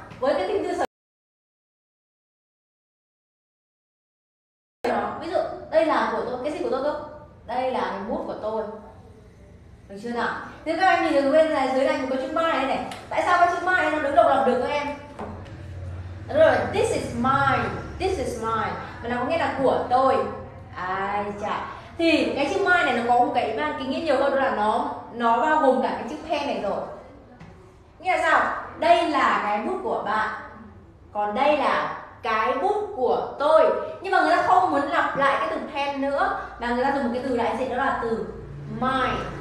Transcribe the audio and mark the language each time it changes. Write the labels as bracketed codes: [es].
[vi] Với cái tính từ sở hữu, ví dụ đây là của tôi, cái gì của tôi cơ? Đây là cái bút của tôi. Được chưa nào? Thế các em nhìn được bên này, dưới này có chữ my đây này. Tại sao có chữ my nó đứng độc lập được các em? Được rồi, [en] this is mine, this is mine. [vi] Mà nó có nghĩa là của tôi. Ai chà. Thì cái chữ my này nó có một cái mang kính nghĩa nhiều hơn, đó là nó bao gồm cả cái chữ pen này rồi. Nghĩa là sao? Đây là cái bút của bạn. Còn đây là cái bút của tôi. Nhưng mà người ta không muốn lặp lại cái từ pen nữa, mà người ta dùng một cái từ đại diện, đó là từ mine.